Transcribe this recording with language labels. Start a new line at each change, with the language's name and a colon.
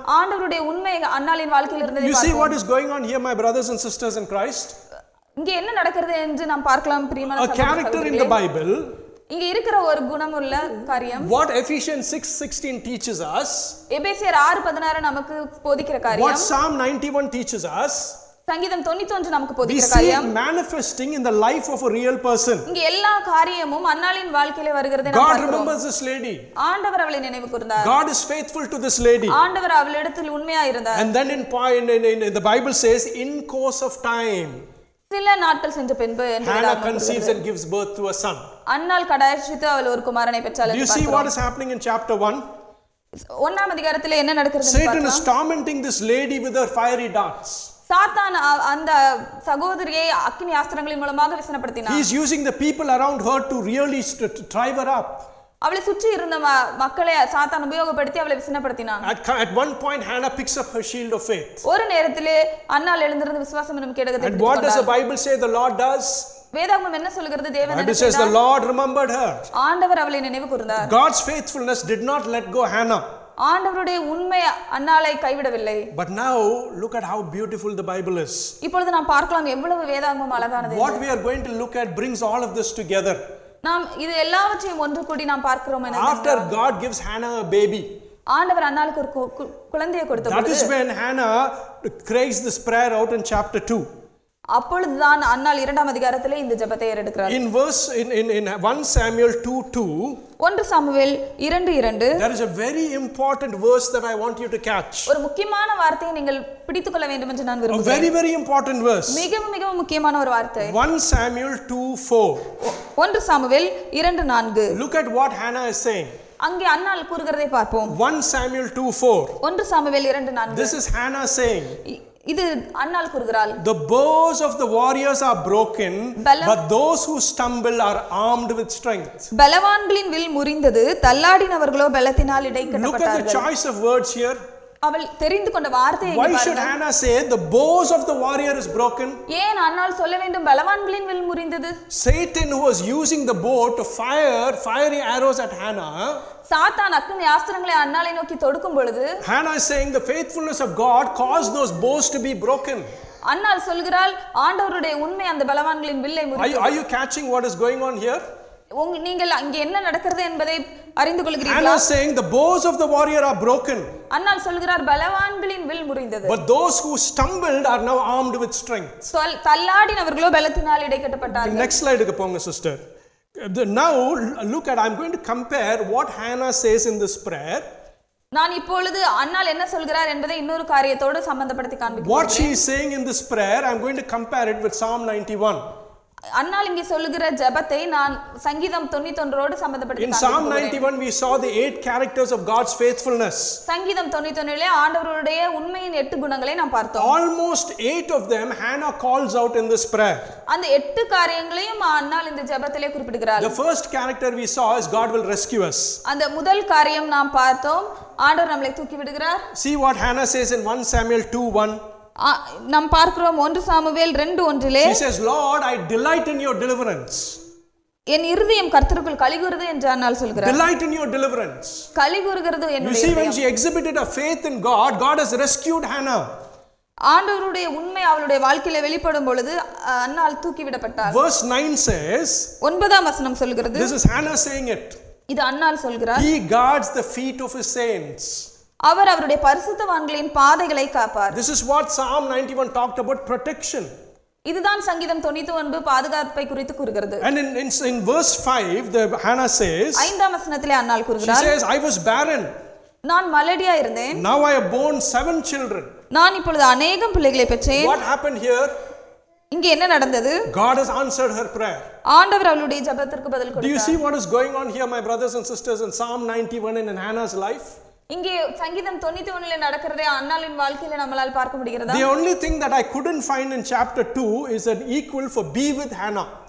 Tamil: ஆண்டவருடைய உண்மை அன்னாளின் வாழ்க்கையில் இருந்ததை பார்க்கலாம்.
English: You see what is going on here my brothers and sisters in Christ?
Tamil: இங்க என்ன நடக்கிறது என்று நாம் பார்க்கலாம் பிரியமான சகோதரர்களே.
English: A character in the Bible.
Tamil: இங்க இருக்கிற ஒரு குணமுள்ள காரியம்
English: What Ephesians 6:16 teaches us
Tamil: எபேசியர் 6:16 நமக்கு போதிக்கிற காரியம்
English: What Psalm 91 teaches us
Tamil: சங்கீதம் 91 நமக்கு போதிக்கிற காரியம்
English: We see manifesting in the life of a real person
Tamil: இங்க எல்லா காரியமும் அன்னாளின் வாழ்க்கையிலே வருகிறதை நாம் பார்க்கிறோம்
English: God remembers this lady
Tamil: ஆண்டவர் அவளை நினைவு கூர்ந்தார்
English: God is faithful to this lady
Tamil: ஆண்டவர் அவளிடத்தில் உண்மையா இருந்தார்
English: And then in the Bible says in course of time
Tamil: சில நாட்கள் சென்ற பின்பு
English: Hannah conceives and gives birth to a son
Tamil: அன்னால் கடாயசித்து அவள் ஒரு குமாரனை பெற்றாள் என்று பார்க்கிறோம்
English: Do you see what is happening in chapter 1
Tamil: ஒன்னாம் அதிகாரத்தில் என்ன நடக்கிறது என்று பார்க்கலாம்
English: Satan is tormenting this lady with her fiery darts
Tamil: சாத்தான் அந்த சகோதரியை அக்னி ஆஸ்திரங்களின் மூலமாக விசனப்படுத்தினார்
English: He is using the people around her to really drive her up
Tamil: அவளை சுற்றி இருந்த மக்களை சாத்தான் உபயோகப்படுத்தி அவளை விசனப்படுத்தினான்
English: At one point Hannah picks up her shield of faith
Tamil: ஒரு நேரத்தில் அன்னால் எழுந்திருந்து விசுவாசம் நம் கிடகத்தை
English: And what does the Bible say the Lord does
Tamil: வேதாகமம் என்ன சொல்கிறது தேவன் என்ன சொல்றார்
English: It says the Lord remembered her
Tamil: ஆண்டவர் அவளை நினைவு கூர்ந்தார்
English: God's faithfulness did not let go Hannah
Tamil: ஆண்டவருடைய உண்மை அன்னாளை கைவிடவில்லை
English: But now look at how beautiful the Bible is
Tamil: இப்பொழுது நாம் பார்க்கலாம் எவ்வளவு வேதாகமம் அழகானது
English: What we are going to look at brings all of this together
Tamil: நாம் இது எல்லாவற்றையும் ஒன்று கூடி நாம் பார்க்கிறோம் என்ன
English: After God gives Hannah a baby
Tamil: ஆண்டவர் அன்னாளுக்கு ஒரு குழந்தையை கொடுத்த பொழுது
English: That is when Hannah cries this prayer out in chapter 2
Tamil: அப்பொழுதுதான் அன்னால் இரண்டாம் அதிகாரத்திலே இந்த ஜெபத்தை ஏறெடுக்கிறார்
English: In verse in 1 Samuel 2:2
Tamil: 1 Samuel 2:2
English: There is a very important verse that I want you to catch
Tamil: ஒரு முக்கியமான வார்த்தையை நீங்கள் பிடித்துக் கொள்ள வேண்டும் என்று நான் விரும்புகிறேன்
English: A very very important verse
Tamil: மிகவும் மிகவும் முக்கியமான ஒரு வார்த்தை
English: 1 Samuel 2:4
Tamil: 1 Samuel 2:4
English: Look at what Hannah is saying
Tamil: அங்கே அன்னால் கூறுகிறதை பார்ப்போம்
English: 1 Samuel 2:4
Tamil: 1 Samuel 2:4
English: This is Hannah saying
Tamil: இது அன்னால் கூறுகிறாள்
English: The bows of the warriors are broken but those who stumble are armed with strength
Tamil: பலவான்களின் will முறிந்தது தள்ளாடினவர்களோ பலத்தினால் இடைக்கப்பட்டார்கள்
English: Look at the choice of words here
Tamil: அவள் தெரிந்து கொண்ட வார்த்தை
English: Why should Hannah say the bows of the warrior is broken
Tamil: ஏன் அன்னால் சொல்ல வேண்டும் பலவான்களின் will முறிந்தது
English: Satan who was using the bow to fiery arrows at Hannah
Tamil: சாத்தான் அக்னி ஆஸ்திரங்களை அன்னாளை நோக்கி தொடுக்கும் பொழுது
English: Hannah is saying the faithfulness of God caused those bows to be broken
Tamil: அன்னாள் சொல்கிறாள் ஆண்டவருடைய உண்மை அந்த பலவான்களின் வில்லை முறித்தது
English: Are you catching what is going on here
Tamil: நீங்கள் அங்கே என்ன நடக்கிறது என்பதை அறிந்து கொள்கிறீர்களா
English: Hannah saying the bows of the warrior are broken
Tamil: அன்னாள் சொல்கிறார் பலவான்களின் will முறிந்தது
English: But those who stumbled are now armed with strength
Tamil: தள்ளாடினவர்களோ பலத்தினால் இடைக்கப்பட்டார்கள் Next slideக்கு போங்க sister
English: Now look at I'm going to compare what Hannah says in this prayer
Tamil: நான் இப்பொழுது அன்னால் என்ன சொல்கிறார் என்பதை இன்னொரு காரியத்தோடு சம்பந்தப்படுத்தி காண்பிக்கிறேன்
English: What she is saying in this prayer I'm going to compare it with Psalm 91
Tamil: அன்னால் இங்கே சொல்கிற ஜெபத்தை நான் சங்கீதம் 91ரோடு சம்பந்தப்படுத்தி
English: In Psalm 91 we saw the eight characters of God's faithfulness
Tamil: சங்கீதம் 91லே ஆண்டவருடைய உண்மையின் எட்டு குணங்களை நாம் பார்த்தோம்
English: Almost eight of them Hannah calls out in this prayer
Tamil: அந்த எட்டு காரியங்களையும் அன்னால் இந்த ஜெபத்திலே குறிப்பிடுகிறார்
English: The first character we saw is God will rescue us
Tamil: அந்த முதல் காரியம் நாம் பார்த்தோம் ஆண்டவர் நம்மை தூக்கி விடுகிறார்
English: See what Hannah says in 1 Samuel 2:1
Tamil: நாம் பார்க்கிறோம் 1 Samuel 2:1
English: She says Lord I delight in your deliverance
Tamil: என் இருதயம் கர்த்தருக்குள் கலிகூறுது என்று அன்னால் சொல்கிறார்
English: Delight in your deliverance
Tamil: கலிகூறுகிறது என் இருதயம்
English: You see when she exhibited a faith in God God has rescued Hannah
Tamil: ஆண்டவருடைய உண்மை அவளுடைய வாழ்க்கையில வெளிப்படும் பொழுது அன்னால் தூக்கி விடப்பட்டார்
English: Verse 9 says
Tamil: 9ஆம் வசனம் சொல்கிறது
English: This is Hannah saying it
Tamil: இது அன்னால் சொல்கிறார்
English: He guards the feet of his saints
Tamil: அவர் அவருடைய பரிசுத்தவான்களின் பாதைகளை காப்பார்
English: This is what Psalm 91 talked about protection
Tamil: இதுதான் சங்கீதம் 99 பாதுகாப்பை குறித்து கூறுகிறது.
English: And in verse 5 the Hannah says,
Tamil: ஐந்தாம் வசனத்திலே அன்னால் கூறுகிறார்.
English: She says I was barren.
Tamil: நான் மலடியா இருந்தேன்.
English: Now I have born 7 children.
Tamil: நான் இப்பொழுது अनेகம் பிள்ளைகளை பெற்றேன்.
English: What happened here?
Tamil: இங்கே என்ன நடந்தது?
English: God has answered her prayer.
Tamil: ஆண்டவர் அவளுடைய ஜெபத்திற்கு பதில் கொடுத்தார்.
English: Do you see what is going on here my brothers and sisters in Psalm 91 and in Hannah's life?
Tamil: இங்கே சங்கீதம் 91 ல நடக்கிறதே அன்னாளின் வாழ்க்கையில நம்மால பார்க்க முடியுறதா?
English: The only thing that I couldn't find in chapter 2 is an equal for be with Hannah.